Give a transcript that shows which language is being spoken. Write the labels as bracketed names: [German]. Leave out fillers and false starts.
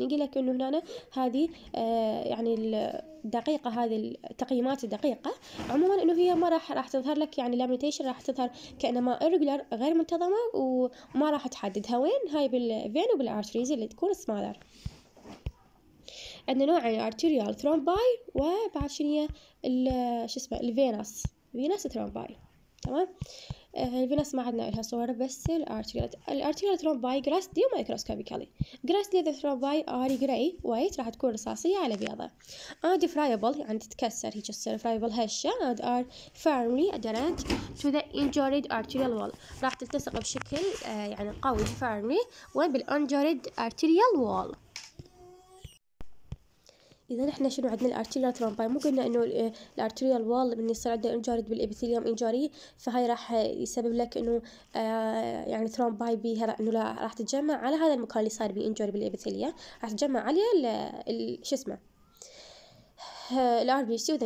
[Arabic] يقول لك إنه هنا هذه يعني الدقيقة هذه التقييمات الدقيقة عموما إنه هي ما راح تظهر لك يعني limitation راح تظهر كأنما irregular غير منتظمة وما راح تحددها وين هاي بالفين وبالارتريز اللي تكون smaller. عندنا نوعين arterial thrombi وبعد شنية شو اسمه الفينس venous thrombi تمام. الفينس ما عندنا لها صور بس الارتريال thrombi grassly microscopically [English] grassly the thrombi are gray white [Arabic] راح تكون رصاصية على بيضة and friable يعني تتكسر هيك تصير friable هشة [English] and are firmly adherent to the injured arterial wall [Arabic] راح تلتصق بشكل يعني قوي firmly وين بالinjured arterial wall. اذا احنا شنو عندنا الارتيريال ترومباي مو قلنا انه الارتيريال وال من يصير عنده انجارد بالابيثيليوم انجاري فهي راح يسبب لك انه يعني ترومباي بيها انه لا راح تتجمع على هذا المكان اللي صار بيه انجاري بالابيثيليا راح تتجمع عليه شو اسمه الار بي سي.